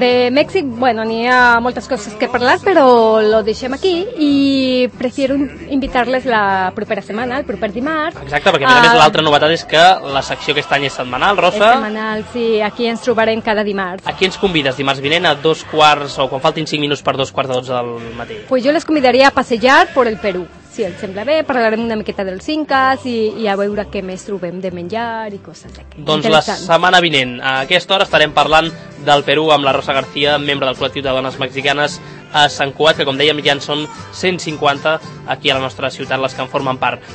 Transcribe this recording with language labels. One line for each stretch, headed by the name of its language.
Catalan: De Mèxic, bueno, n'hi ha moltes coses que parlar, però lo deixem aquí i
Spanish: prefiero
Catalan: invitar-les la propera setmana, el proper dimarts. Exacte, perquè a més l'altra novetat és que la secció aquest any és setmanal, Rosa. És setmanal, sí, aquí ens trobarem cada dimarts. Aquí ens convides dimarts vinent a 2 quarts o quan faltin 5 minuts per 2 quarts de 12 del matí.
Spanish: Pues yo les convidaría a passejar por el Perú.
Catalan: si et sembla bé, parlarem una miqueta dels Incas i a veure què més trobem de menjar i coses d'aquestes. Doncs la setmana vinent, a aquesta hora, estarem parlant del Perú amb la Rosa García, membre del col·lectiu de dones mexicanes a Sant Cugat, que com dèiem ja en són 150 aquí a la nostra ciutat, les que en formen part.